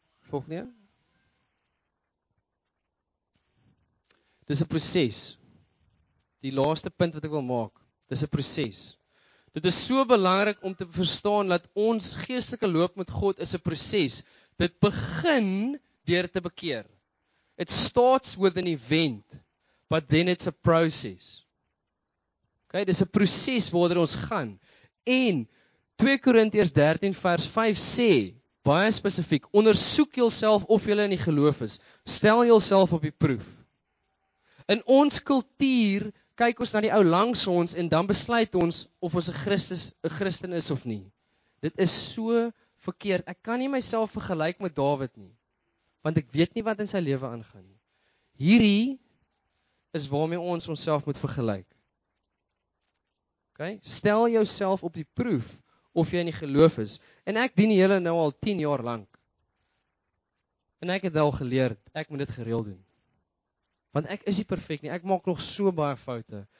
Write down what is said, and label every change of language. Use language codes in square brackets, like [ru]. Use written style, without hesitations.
[af] Volgende. Dis 'n proses. Die laaste punt wat ek wil maak. Dis 'n proses. Dit is so belangrik om te verstaan dat ons geestelike loop met God is 'n proses. Dit begin deur te bekeer. [en] It starts with an event, but then it's a process. [af] Okay, dis 'n proses waardeur ons gaan. En 2 Korintiërs 13 vers 5 sê baie spesifiek, ondersoek jouself of jy in die geloof is. Stel jouself op die proef. In ons kultuur kyk ons na die ou langs ons en dan besluit ons of ons 'n Christen is of nie. Dit is so verkeerd. Ek kan nie myself vergelyk met Dawid nie, want ek weet nie wat in sy lewe aangaan nie. Hierdie is waarmee ons onsself moet vergelyk. Okay? Stel jouself op die proef of jy in die geloof is. En ek dien die Here nou al 10 jaar lank. En ek het al geleer, ek moet dit gereeld doen. Want ek is nie perfek nie. Ek maak nog so baie foute.